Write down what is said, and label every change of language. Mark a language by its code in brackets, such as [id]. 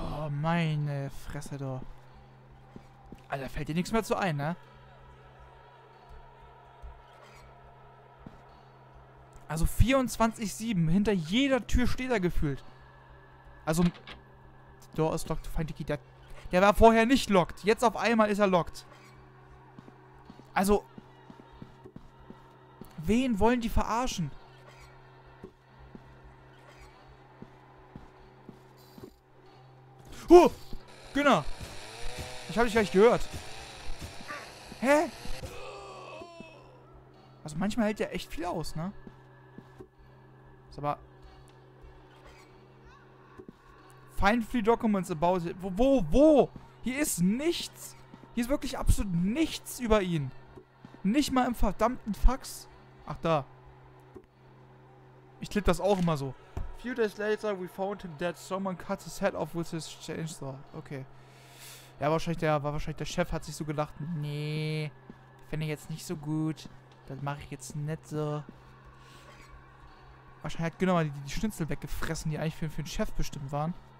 [de] Meine Fresse, du. Alter, fällt dir nichts mehr zu ein, ne? Also 24-7. Hinter jeder Tür steht er gefühlt. [en] Also, the door is locked to find the key. [de] Der war vorher nicht locked. Jetzt auf einmal ist er locked. Also, wen wollen die verarschen? Oh, Günner, ich habe dich gleich gehört. Hä? Also manchmal hält der echt viel aus, ne? Ist aber... [en] Find three documents about it. [de] Wo? Hier ist nichts. Hier ist wirklich absolut nichts über ihn. Nicht mal im verdammten Fax. Ach da. Ich klipp das auch immer so. [en] Few days later, we found him dead. Someone cut his head off with his chainsaw. Okay. [de] Ja, wahrscheinlich der Chef hat sich so gedacht, nee, finde ich jetzt nicht so gut. Das mache ich jetzt nicht so. Wahrscheinlich hat Günner mal die Schnitzel weggefressen, die eigentlich für den Chef bestimmt waren.